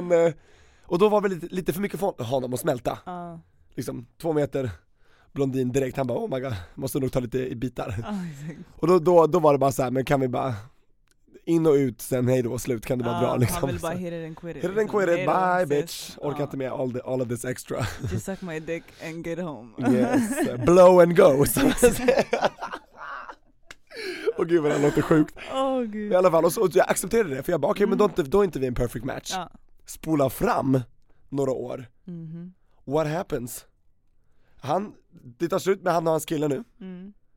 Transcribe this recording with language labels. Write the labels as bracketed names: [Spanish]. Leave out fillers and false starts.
[Swedish] Men, och då var väl lite för mycket för honom att smälta. Ja. Liksom 2 meter blondin direkt, han bara, [English] oh my god, [Swedish] måste nog ta lite i bitar. Ja, exactly. Och då var det bara så här, men kan vi bara... In och ut, sen hej då, slut, kan du bara dra. Liksom. Han vill bara [English] hit it and quit it. Hit it and quit it, bye bitch. [Swedish] Orkar inte med [English] all of this extra. Just suck my dick and get home. Yes, blow and go. [Swedish] Åh gud vad det låter sjukt. Oh, gud. I alla fall, och jag accepterade det. För jag bara, okej, men då är inte vi en [English] perfect match. [Swedish] Spola fram några år. Mm-hmm. [English] What happens? [Swedish] Det tar slut med han och hans kille nu. Mm.